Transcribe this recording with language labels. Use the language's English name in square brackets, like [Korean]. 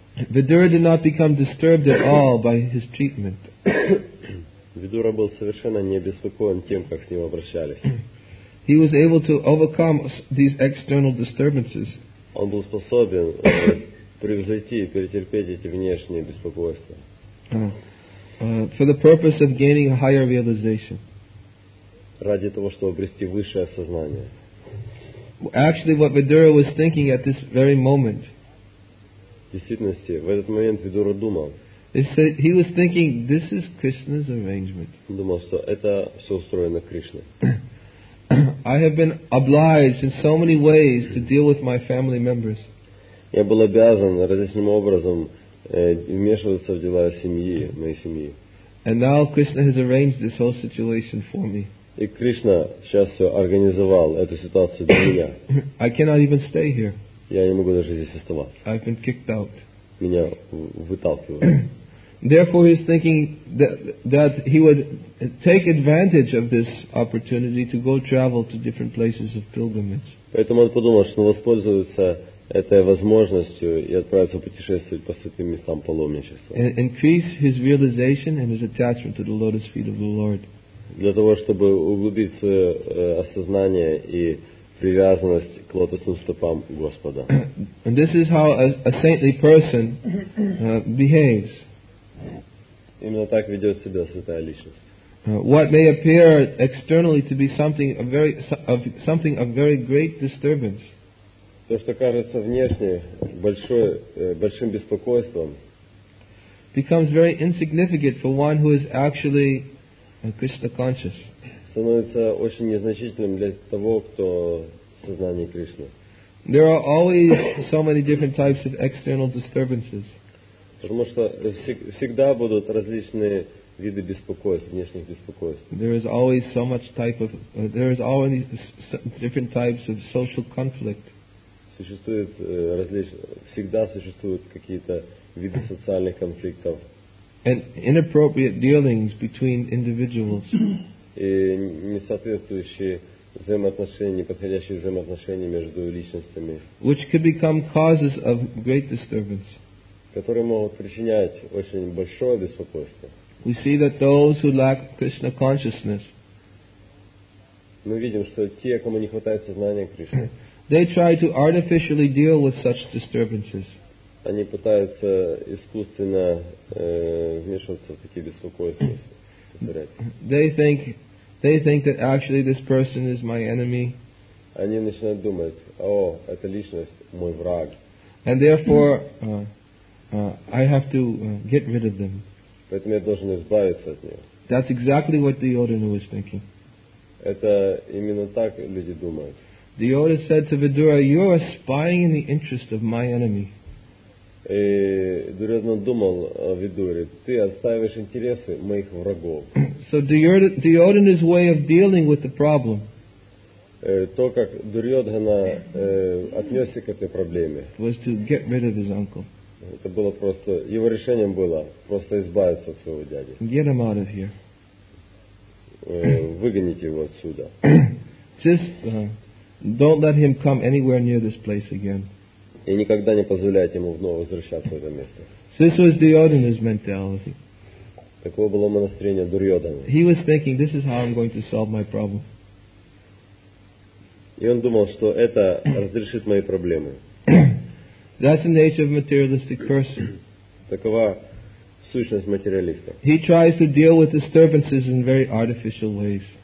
[English] Vidura did not become disturbed at all by his treatment. [Russian] Видура был совершенно не обеспокоен тем, как с ним обращались. [English] He was able to overcome these external disturbances. [Russian] Он был способен превзойти и перетерпеть эти внешние беспокойства. [English] For the purpose of gaining a higher realization. [Russian] Ради того, чтобы обрести высшее осознание. [English] Actually, what Vidura was thinking at this very moment. [Russian] В действительности, в этот момент Видура думал. [English] He was thinking, this is Krishna's arrangement. [Russian] Он думал, что это все устроено Кришной. [English] I have been obliged in so many ways to deal with my family members. [Russian] Я был обязан различным образом вмешиваться в дела семьи, моей семьи. [English] And now Krishna has arranged this whole situation for me. [Russian] И Кришна сейчас все организовал эту ситуацию для меня. [English] I cannot even stay here. [Russian] Я не могу даже здесь оставаться. [English] I've been kicked out. [Russian] Меня выталкивают. [English] Therefore, he is thinking that he would take advantage of this opportunity to go travel to different places of pilgrimage. [Russian] Поэтому он подумал, что он воспользуется этой возможностью и отправится путешествовать по святым местам паломничества. [English] And increase his realization and his attachment to the lotus feet of the Lord. [Russian] Для того, чтобы углубить свое осознание и привязанность к лотосным стопам Господа. [English] And this is how a saintly person behaves. [Russian] Именно так ведет себя святая личность. [English] What may appear externally to be something of very great disturbance. [Russian] То, что кажется внешне большим беспокойством, [English] becomes very insignificant for one who is actually Krishna conscious. [Russian] Становится очень незначительным для того, кто в сознании Кришны. [English] There are always so many different types of external disturbances. [Russian] Потому что всегда будут различные виды беспокойств, внешних беспокойств. [English] There is always so much type of, there is always different types of social conflict. [Russian] Существует всегда существуют какие-то виды социальных конфликтов. [English] And inappropriate dealings between individuals. [Russian] И несоответствующие взаимоотношения, неподходящие взаимоотношения между личностями. [English] Which could become causes of great disturbance. [Russian] Которые могут причинять очень большое беспокойство. [English] We see that those who lack Krishna consciousness. [Russian] Мы видим, что те, кому не хватает сознания Кришны. [English] They try to artificially deal with such disturbances. [Russian] Они пытаются искусственно вмешиваться в такие беспокойства. [English] They think that actually this person is my enemy. [Russian] Они начинают думать, о, эта личность мой враг. [English] And therefore, I have to get rid of them. [Russian] Поэтому я должен избавиться от нее. [English] That's exactly what Duryodhana was thinking. [Russian] Это именно так люди думают. [English] Duryodhana said to Vidura, "You are spying in the interest of my enemy." [Russian] И Дурьодхана думал о Видуре, ты отстаиваешь интересы моих врагов. [English] So Duryodhana's way of dealing with the problem. [Russian] То, как Дурьодхана отнесся к этой проблеме. [English] Was to get rid of his uncle. [Russian] Это было просто, его решением было просто избавиться от своего дяди. [English] Get him out of here. [Russian] Выгоните его отсюда. [English] Just don't let him come anywhere near this place again. [Russian] И никогда не позволяйте ему вновь возвращаться в это место. [English] This was Duryodhana's mentality. [Russian] Такое было настроение Дурьодханы. [English] He was thinking, this is how I'm going to solve my problem. [Russian] И он думал, что это разрешит мои проблемы. [English] That's the nature of a materialistic person. [Russian] Такова сущность материалиста. [English] He tries to deal with disturbances in very artificial ways.